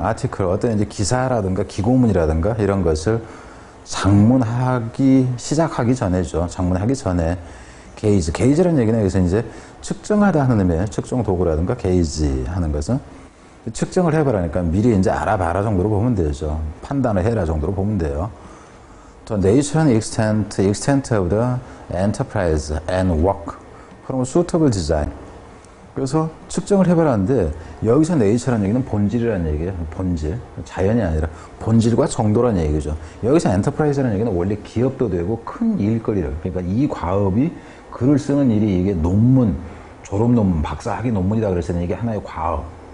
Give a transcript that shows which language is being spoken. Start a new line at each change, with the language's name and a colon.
Korean: Article, 어떤 이제 기사라든가 기고문이라든가 이런 것을 작문하기, 시작하기 전에죠. 작문하기 전에 gauge. gauge라는 얘기는 여기서 이제 측정하다 하는 의미예요. 측정 도구라든가 gauge 하는 것은. 측정을 해보라니까 미리 이제 알아봐라 정도로 보면 되죠. 판단을 해라 정도로 보면 돼요.
English: The nature and extent, extent of the enterprise and work from suitable design.
Korean: 그래서 측정을 해봐라는데 여기서 nature라는 얘기는 본질이라는 얘기예요. 본질. 자연이 아니라 본질과 정도라는 얘기죠. 여기서 enterprise라는 얘기는 원래 기업도 되고 큰 일거리를. 그러니까 이 과업이 글을 쓰는 일이 이게 논문, 졸업논문, 박사학위 논문이다 그랬을 때는 이게 하나의 과업.